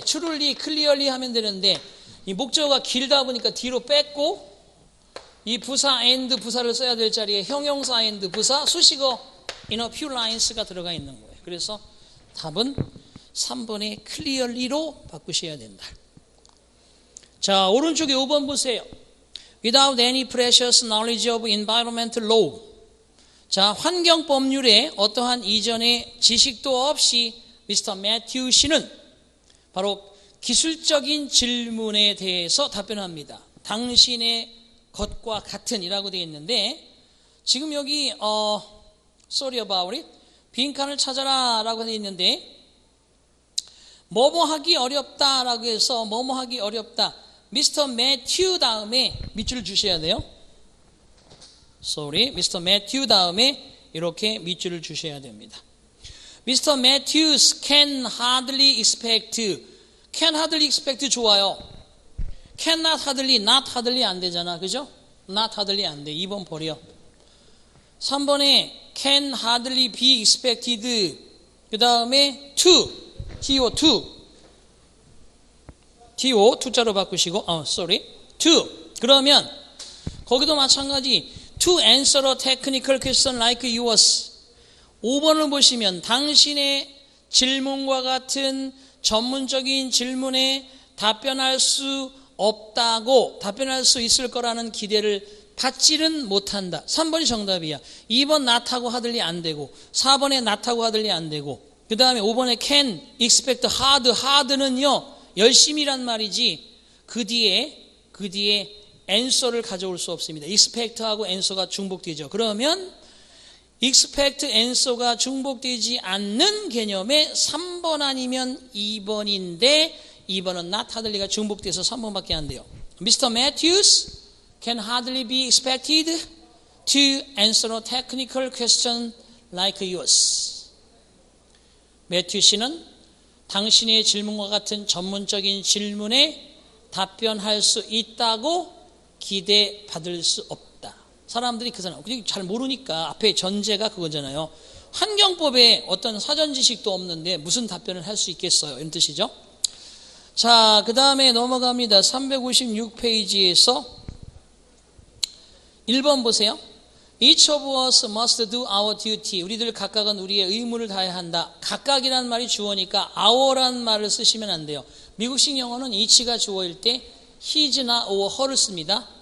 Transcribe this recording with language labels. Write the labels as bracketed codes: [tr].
[ko] truly, clearly 하면 되는데 이 목적어가 길다 보니까 뒤로 뺐고 이 부사 and 부사를 써야 될 자리에 형용사 and 부사 수식어 [en] in a few lines [ko] 가 들어가 있는 거예요. 그래서 답은 3번의 clearly로 바꾸셔야 된다. 자, 오른쪽에 5번 보세요. [en] Without any precious knowledge of environmental law. [ko] 자, 환경 법률에 어떠한 이전의 지식도 없이 미스터 매튜 씨는 바로 기술적인 질문에 대해서 답변합니다. 당신의 것과 같은 이라고 되어 있는데 지금 여기 [en] sorry about it [ko] 빈칸을 찾아라 라고 되어 있는데 뭐뭐 하기 어렵다 라고 해서 뭐뭐 하기 어렵다 미스터 매튜 다음에 밑줄을 주셔야 돼요. sorry 미스터 매튜 다음에 이렇게 밑줄을 주셔야 됩니다. [en] Mr. Matthews can hardly expect. Can hardly expect [ko] 좋아요. [en] Cannot hardly, not hardly [ko] 안 되잖아. 그죠? [en] Not hardly [ko] 안 돼. 2번 버려. 3번에 [en] can hardly be expected. [ko] 그 다음에 [en] to, to, to. [ko] to, 투자로 바꾸시고, [en] sorry. to. [ko] 그러면, 거기도 마찬가지. [en] to answer a technical question like yours. [ko] 5번을 보시면, 당신의 질문과 같은 전문적인 질문에 답변할 수 없다고, 답변할 수 있을 거라는 기대를 받지는 못한다. 3번이 정답이야. 2번 not하고 하들리 안 되고, 4번에 not하고 하들리 안 되고, 그 다음에 5번에 can, expect, hard, hard는요, 열심히란 말이지, 그 뒤에 answer를 가져올 수 없습니다. expect하고 answer가 중복되죠. 그러면, expect answer가 중복되지 않는 개념의 3번 아니면 2번인데 2번은 not hardly가 중복돼서 3번밖에 안 돼요. [en] Mr. Matthews can hardly be expected to answer a technical question like yours. [ko] 매튜 씨는 당신의 질문과 같은 전문적인 질문에 답변할 수 있다고 기대받을 수 없다. 사람들이 그 사람, 잘 모르니까 앞에 전제가 그거잖아요. 환경법에 어떤 사전 지식도 없는데 무슨 답변을 할 수 있겠어요? 이런 뜻이죠. 자, 그 다음에 넘어갑니다. 356페이지에서 1번 보세요. [en] Each of us must do our duty. [ko] 우리들 각각은 우리의 의무를 다해야 한다. 각각이란 말이 주어니까 our란 말을 쓰시면 안 돼요. 미국식 영어는 each가 주어일 때 his나 or her를 씁니다.